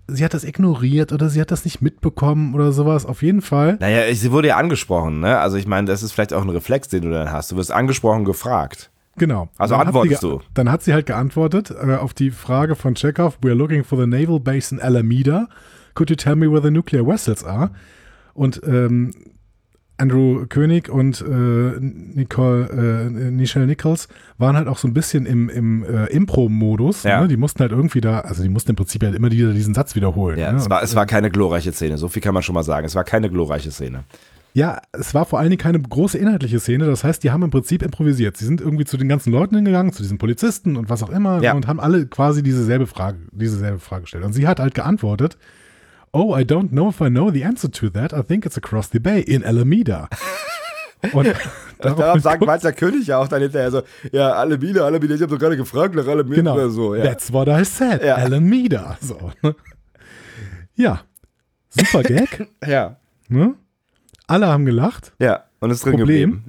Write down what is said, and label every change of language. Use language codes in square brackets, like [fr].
[de] sie hat das ignoriert oder sie hat das nicht mitbekommen oder sowas, auf jeden Fall. Naja, sie wurde ja angesprochen, ne? Also ich meine, das ist vielleicht auch ein Reflex, den du dann hast. Du wirst angesprochen, gefragt. Genau. Also dann antwortest du. Dann hat sie halt geantwortet auf die Frage von Chekhov, [en] we are looking for the naval base in Alameda. Could you tell me where the nuclear vessels are? [de] Und Andrew König und Nichelle Nichols waren halt auch so ein bisschen im Impro-Modus. Ja. Ne? Die mussten halt irgendwie da, also die mussten im Prinzip halt immer diesen Satz wiederholen. Ja, ne? Es war keine glorreiche Szene, so viel kann man schon mal sagen. Es war keine glorreiche Szene. Ja, es war vor allen Dingen keine große inhaltliche Szene. Das heißt, die haben im Prinzip improvisiert. Sie sind irgendwie zu den ganzen Leuten hingegangen, zu diesen Polizisten und was auch immer, ja, und haben alle quasi dieselbe Frage gestellt. Und sie hat halt geantwortet, [en] oh, I don't know if I know the answer to that. I think it's across the bay in Alameda. [de] Und darauf sagt Walter König ja auch dann hinterher so, ja, Alameda, ich habe doch gerade gefragt nach Alameda. Genau, oder so, ja. [en] That's what I said, ja. Alameda. So. [de] Ja, super Gag. Ja. Ne? Alle haben gelacht. Ja, und ist drin geblieben.